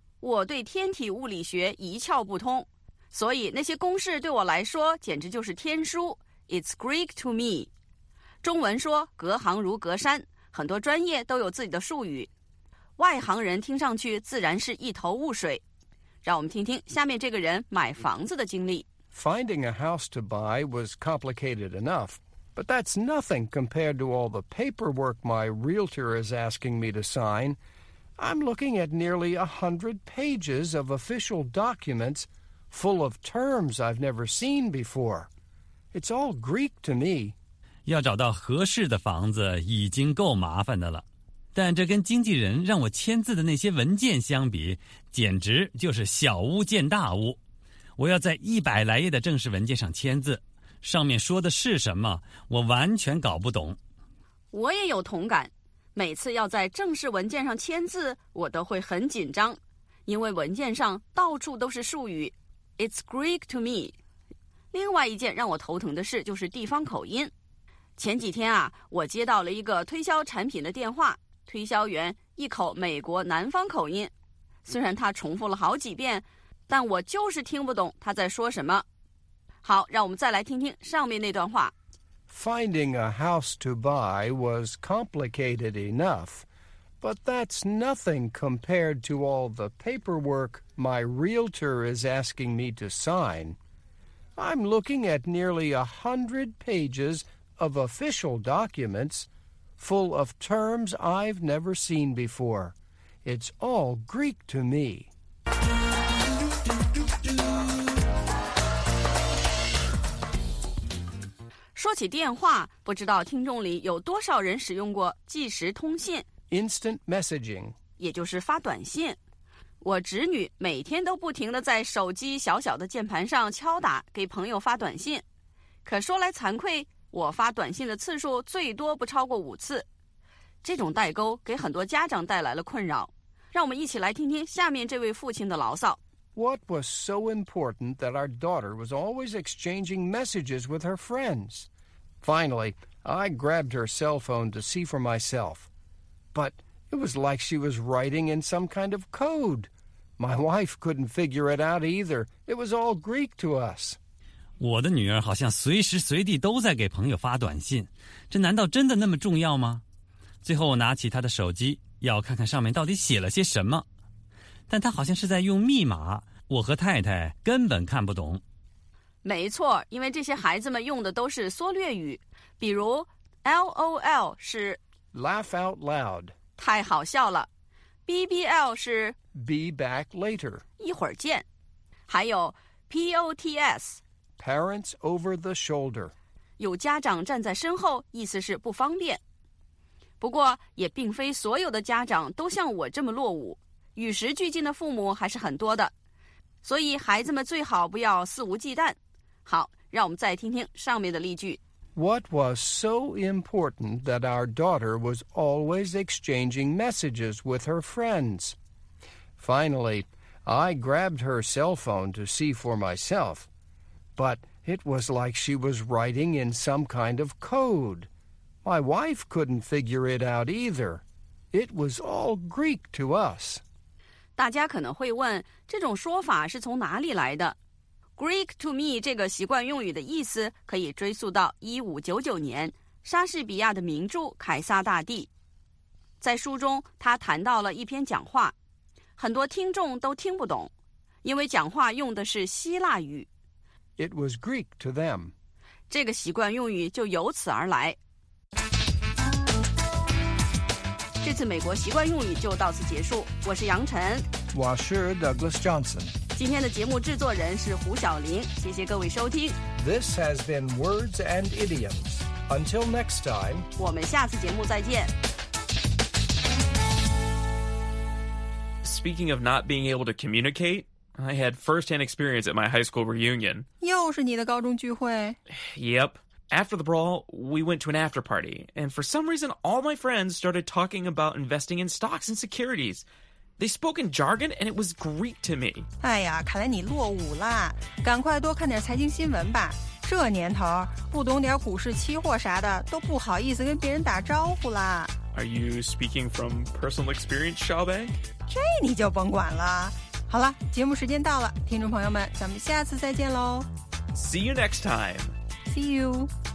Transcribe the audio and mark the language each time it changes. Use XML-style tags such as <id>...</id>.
<zh>我对天体物理学一窍不通。所以那些公式对我来说简直就是天书</zh> <en>It's Greek to me</en> <zh>中文说隔行如隔山很多专业都有自己的术语外行人听上去自然是一头雾水让我们听听下面这个人买房子的经历</zh> <en>Finding a house to buy was complicated enough But that's nothing compared to all the paperwork my realtor is asking me to sign I'm looking at nearly 100 pages of official documentsFull of terms I've never seen before. It's all Greek to me.</en> <zh>要找到合适的房子已经够麻烦的了。但这跟经纪人让我签字的那些文件相比，简直就是小巫见大巫。我要在100来页的正式文件上签字，上面说的是什么，我完全搞不懂。我也有同感，每次要在正式文件上签字，我都会很紧张，因为文件上到处都是术语。</zh> <en>It's Greek to me.</en> <zh>另外一件让我头疼的事就是地方口音。前几天啊，我接到了一个推销产品的电话，推销员一口美国南方口音，虽然他重复了好几遍，但我就是听不懂他在说什么。好，让我们再来听听上面那段话。</zh> <en>Finding a house to buy was complicated enough, but that's nothing compared to all the paperwork my realtor is asking me to sign. I'm looking at nearly 100 pages of official documents full of terms I've never seen before. It's all Greek to me.</en> <zh>起电话，不知道听众里有多少人使用过即时通信</zh> <en>Instant messaging，</en> <zh>也就是发短信。我侄女每天都不停地在手机小小的键盘上敲打给朋友发短信，可说来惭愧，我发短信的次数最多不超过5次。这种代沟给很多家长带来了困扰，让我们一起来听听下面这位父亲的牢骚。</zh> <en>What was so important that our daughter was always exchanging messages with her friends? Finally, I grabbed her cell phone to see for myself. But it was like she was writing in some kind of code. My wife couldn't figure it out either. It was all Greek to us.</en> <zh>我的女儿好像随时随地都在给朋友发短信。这难道真的那么重要吗？最后我拿起她的手机，要看看上面到底写了些什么。但她好像是在用密码，我和太太根本看不懂。没错，因为这些孩子们用的都是缩略语，比如 LOL 是</zh> <en>Laugh out loud，</en> <zh>太好笑了。BBL 是</zh> <en>Be back later，</en> <zh>一会儿见。还有 POTS，</zh> <en>Parents over the shoulder，</en> <zh>有家长站在身后，意思是不方便。不过也并非所有的家长都像我这么落伍，与时俱进的父母还是很多的，所以孩子们最好不要肆无忌惮。好，让我们再听听上面的例句。 What was so important that our daughter was always exchanging messages with her friends? Finally, I grabbed her cell phone to see for myself. But it was like she was writing in some kind of code. My wife couldn't figure it out either. It was all Greek to us. 大家可能会问，这种说法是从哪里来的？</zh> <en>Greek to me</en> <zh>这个习惯用语的意思可以追溯到1599年莎士比亚的名著《凯撒大帝》。在书中他谈到了一篇讲话，很多听众都听不懂，因为讲话用的是希腊语。</zh> <en>It was Greek to them.</en> <zh>这个习惯用语就由此而来。这次美国习惯用语就到此结束，我是杨晨。我是 Douglas Johnson。今天的节目制作人是胡晓玲，谢谢各位收听。</zh> <en>This has been Words and Idioms. Until next time,</en> <zh>我们下次节目再见。</zh> <en>Speaking of not being able to communicate, I had first-hand experience at my high school reunion.</en> <zh>又是你的高中聚会。</zh> <en>Yep. After the brawl, we went to an after party, and for some reason, all my friends started talking about investing in stocks and securities. They spoke in jargon, and it was Greek to me.</en> <zh>哎呀，看来你落伍了。赶快多看点财经新闻吧。这年头，不懂点股市期货啥的，都不好意思跟别人打招呼了。</zh> <en>Are you speaking from personal experience, Xiaobei?</en> <zh>这你就甭管了。好了，节目时间到了，听众朋友们，咱们下次再见喽。</zh> <en>See you next time. See you.</en>